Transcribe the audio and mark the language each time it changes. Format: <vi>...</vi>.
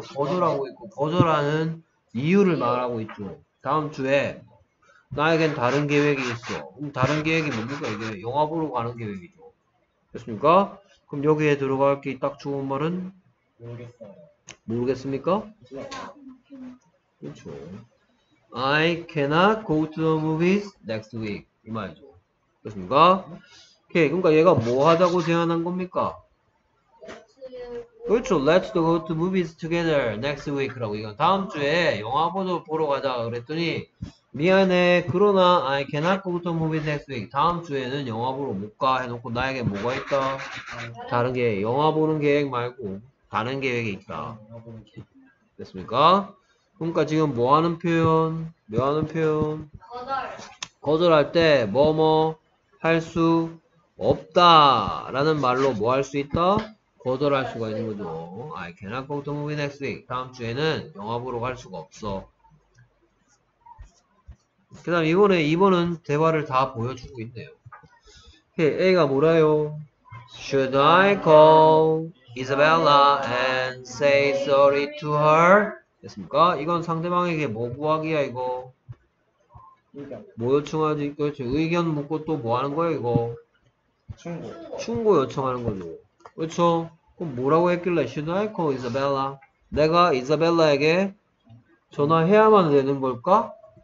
<ko>거절하고 있고, 거절하는 이유를 말하고 있죠. 다음 주에 나에겐 다른 계획이 있어. 그럼 다른 계획이 뭡니까? 이게 영화 보러 가는 계획이죠. 됐습니까? 그럼 여기에 들어갈 게딱 좋은 말은? 모르겠습니까? 그렇죠.</ko> <en>I cannot go to the movies next week.</en> <ko>이 말이죠. 그렇습니까? 오케이. 그러니까 얘가 뭐 하자고 제안한 겁니까? 그렇죠.</ko> <en>Let's go to movies together next week라고.</en> <ko>이건 다음 주에 영화 보러 가자 그랬더니 미안해. 그러나</ko> <en>I cannot go to movies next week.</en> <ko>다음 주에는 영화 보러 못가 해놓고 나에게 뭐가 있다? 다른 계획. 영화 보는 계획 말고 다른 계획이 있다. 됐습니까? 그러니까 지금 뭐 하는 표현? 뭐 하는 표현? 거절할 때 뭐뭐 할수 없다라는 말로 뭐할수 있다? 거절할 수가 있는 거죠.</ko> <en>I cannot go to movie next week.</en> <ko>다음 주에는 영화 보러 갈 수가 없어. 그다음 이번은 대화를 다 보여주고 있네요. Okay, A가 뭐라요?</ko> <en>Should I call Isabella and say sorry to her?</en> <ko>됐습니까? 이건 상대방에게 뭐 구하기야 이거? 뭐 요청하지? 그렇지. 의견 묻고 또뭐 하는 거야, 이거? 충고. 충고 요청하는 거죠. 그렇죠? 그럼 뭐라고 했길래?</ko> <en>Should I call Isabella?</en> <ko>내가 이사벨라에게 전화해야만 되는 걸까?</ko>